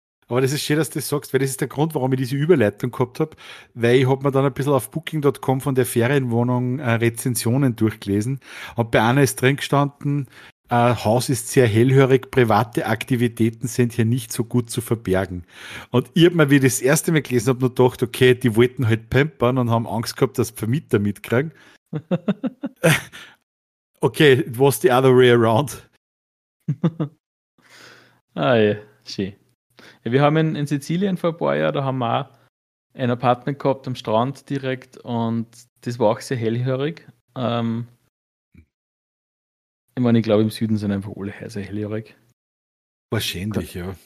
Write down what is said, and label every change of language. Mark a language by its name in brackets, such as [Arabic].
[German] Aber das ist schön, dass du das sagst, weil das ist der Grund, warum ich diese Überleitung gehabt habe, weil ich habe mir dann ein bisschen auf booking.com von der Ferienwohnung Rezensionen durchgelesen und bei einer ist drin gestanden, Haus ist sehr hellhörig, private Aktivitäten sind hier nicht so gut zu verbergen. Und ich habe mir, wie ich das erste Mal gelesen habe, nur gedacht, okay, die wollten halt pampern und haben Angst gehabt, dass die Vermieter mitkriegen. [English] Okay, it was the other way around. [German] Ah ja, schön. Ja, wir haben in Sizilien vor ein paar Jahren, da haben wir auch ein Apartment gehabt am Strand direkt und das war auch sehr hellhörig. Ich meine, ich glaube, im Süden sind einfach alle heiße hellhörig. Wahrscheinlich, ja.